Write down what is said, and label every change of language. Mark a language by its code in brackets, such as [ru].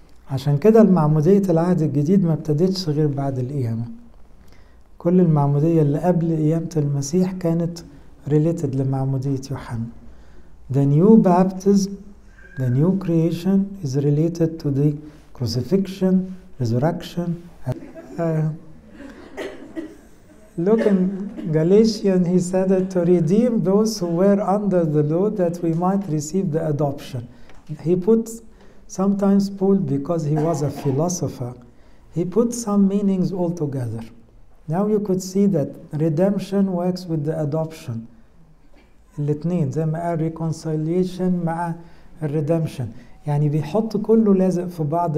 [ar] عشان كده المعمودية العهد الجديد ما ابتدتش غير بعد القيامة. كل المعمودية اللي قبل قيامة المسيح كانت related لمعمودية يوحنا. [en] The new baptism, the new creation is related to the crucifixion, resurrection. Look in Galatians, he said that to redeem those who were under the law that we might receive the adoption. He put, sometimes Paul, because he was a philosopher, he put some meanings all together. Now you could see that redemption works with the adoption. [ar] الاثنين زي ما قال reconciliation مع الريدمشن، يعني بيحط كله لازق في بعض.